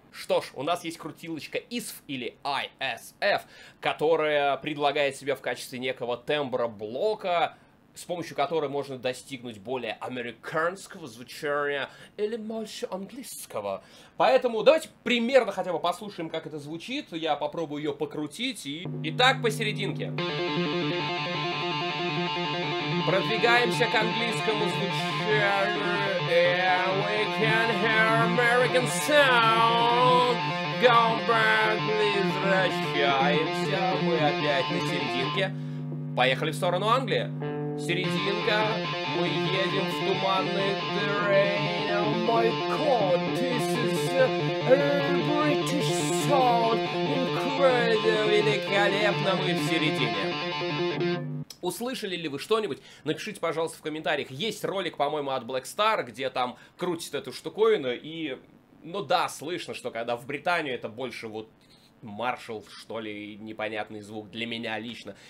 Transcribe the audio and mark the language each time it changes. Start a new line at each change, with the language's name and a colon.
Russian: Что ж, у нас есть крутилочка ISF или ISF, которая предлагает себя в качестве некого тембра блока, с помощью которой можно достигнуть более американского звучания или больше английского. Поэтому давайте примерно хотя бы послушаем, как это звучит. Я попробую ее покрутить. Итак, посерединке. Продвигаемся к английскому звучанию.
English: Yeah, we can hear American sound. Go back,
Russian: возвращаемся. Мы опять на серединке. Поехали в сторону Англии. Серединка, мы едем в туманный train.
English: Oh my god, this is a British sound. Incredible,
Russian: великолепно, мы в середине. Услышали ли вы что-нибудь? Напишите, пожалуйста, в комментариях. Есть ролик, по-моему, от Black Star, где там крутят эту штуковину. И, ну да, слышно, что когда в Британию, это больше вот Маршал, что ли, непонятный звук для меня лично.